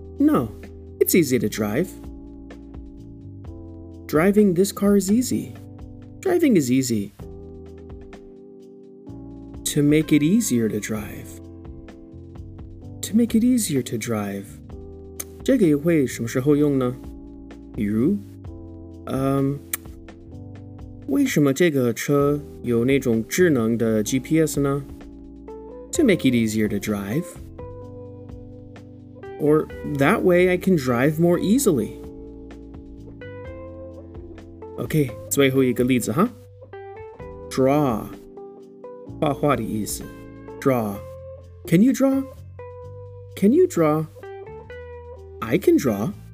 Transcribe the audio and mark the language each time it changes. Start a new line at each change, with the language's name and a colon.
English: No, it's easy to drive. Driving this car is easy. Driving is easy. To make it easier to drive. To make it easier to drive.
Chinese: 这个也会什么时候用呢？比如，为什么这个车有那种智能的 GPS 呢？
English: To make it easier to drive. Or that way I can drive more easily.
Chinese: OK, 最后一个例子哈。Draw, 画画的意思。
English: Draw, can you draw? Can you draw? I can draw.